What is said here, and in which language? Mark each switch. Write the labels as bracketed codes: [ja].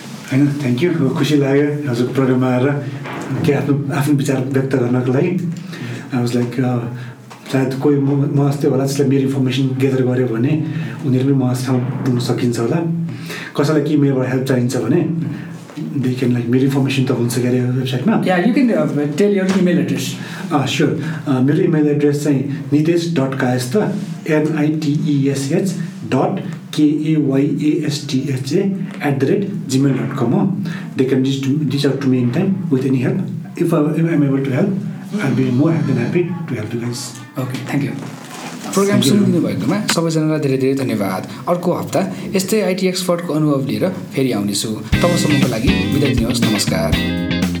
[ne] होइन thank you खुसी लाग्यो हजुरको प्रोग्राममा आएर के आफ्नो आफ्नो विचार व्यक्त गर्नको लागि [en] I was like [ne] सायद कोही म जस्तै होला जसलाई मेरो इन्फर्मेसन गेदर गऱ्यो भने उनीहरू पनि म ठाउँ पुग्न सकिन्छ होला कसैलाई के मेरोबाट हेल्प चाहिन्छ भने [en] they can like [ne] mere information to hunch gare website ma [en] yeah you can tell your email address sure [ne] mere [en] email address [ne] chai [en] nitesh.kayastha nitesh.kayastha@gmail.com they can just reach out to me anytime with any help if I'm able to help I'll be more than happy to help you guys okay thank you [ne] programme सुरु दिनुभएकोमा सबैजनालाई धेरै धेरै धन्यवाद अर्को हप्ता यस्तै IT एक्सपर्टको अनुभव लिएर फेरि आउनेछु तबसम्मको लागि बिदा दिनुहोस् नमस्कार